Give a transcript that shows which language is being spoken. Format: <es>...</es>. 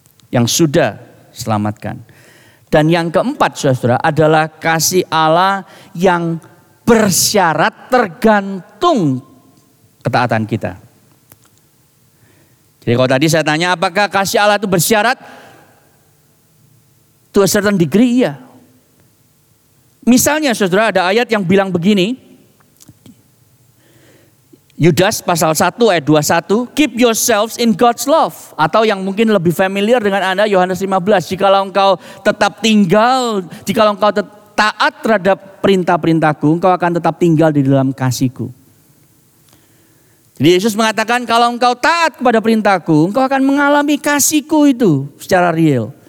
<id>Yang sudah selamatkan. Dan yang keempat, saudara, adalah kasih Allah yang bersyarat tergantung ketaatan kita. Jadi kalau tadi saya tanya, apakah kasih Allah itu bersyarat?</id> <en>To a certain degree,</en> <id>iya. Misalnya, saudara, ada ayat yang bilang begini. Yudas pasal 1 ayat 21,</id> <en>keep yourselves in God's love.</en> <id>Atau yang mungkin lebih familiar dengan Anda, Yohanes 15. Jikalau engkau tetap tinggal, jikalau engkau taat terhadap perintah-perintahku, engkau akan tetap tinggal di dalam kasihku. Jadi Yesus mengatakan, kalau engkau taat kepada perintahku, engkau akan mengalami kasihku itu secara real.</id>